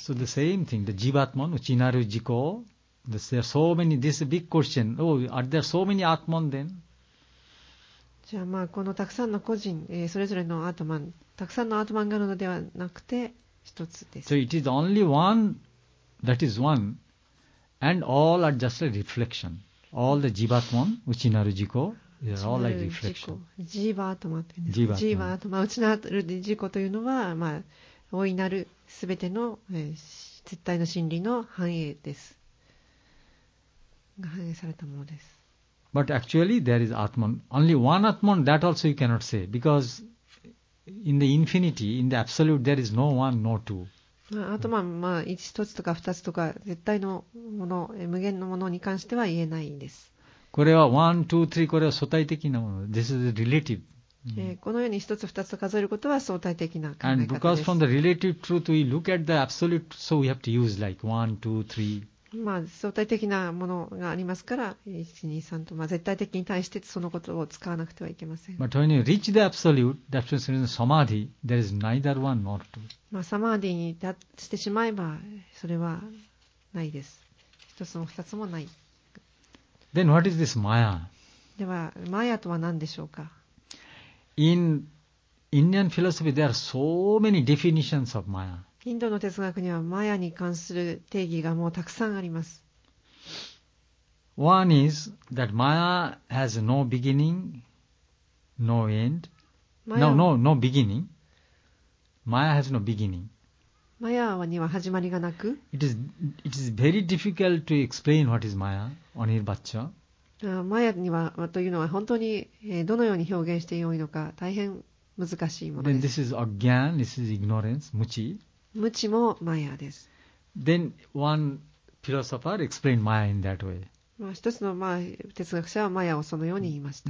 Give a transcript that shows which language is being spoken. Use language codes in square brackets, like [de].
[en] So the same thing, the Jivatman, [ja] 内なる自己。 [en] There are so many, this is a big question. Oh, are there so many Atman then? [ja] じゃあまあこのたくさんの個人、それぞれのアートマン、たくさんのアートマンがあるのではなくて一つです。 [en] So it is only one that is one and all are just a reflection. All the Jivatman, Uchinaru Jiko, they are all like reflection. [ja] Jivatman というんですか。Jivatman、Uchinaru Jiko というのは、まあ、大いなるすべての、絶対の真理の反映です。反映されたものです。 [en] But actually there is Atman. Only one Atman, that also you cannot say. Because in the infinity, in the absolute, there is no one, no two. [ja] アトマン、まあ、一つとか二つとか、絶対のもの、無限のものに関しては言えないです。これは [en] one, two, three、 [ja] これは相対的なもの。 [en] This is relative. [ja] このように一つ二つ数えることは相対的な考え方です。 [en] And because from the relative truth, we look at the absolute, so we have to use like one, two, three. [ja] まあ、相対的なものがありますから、1、2、3と、まあ、絶対的に対してそのことを使わなくてはいけません。 [en] But when you reach the absolute, that means in the samadhi, there is neither one nor two. [ja] まあ、サマーディに達してしまえば、それはないです。一つも二つもない。 [en] Then what is this Maya? [ja] では、Maya とは何でしょうか? [en] In Indian philosophy, there are so many definitions of Maya. [ja] インドの哲学にはマヤに関する定義がもうたくさんあります。 [en] One is that Maya has no beginning, no end. No beginning. Maya has no beginning. [ja] マヤには始まりがなく。 [en] It is very difficult to explain what is Maya, Anirbacha. [ja] マヤにはというのは本当にどのように表現してよいのか大変難しいものです。 [en] Then this is Agyan, this is ignorance, Muchi. [ja] 無知もマヤです。 [en] Then one philosopher explained Maya in that way. [ja] まあ一つのまあ哲学者はマヤをそのように言いました。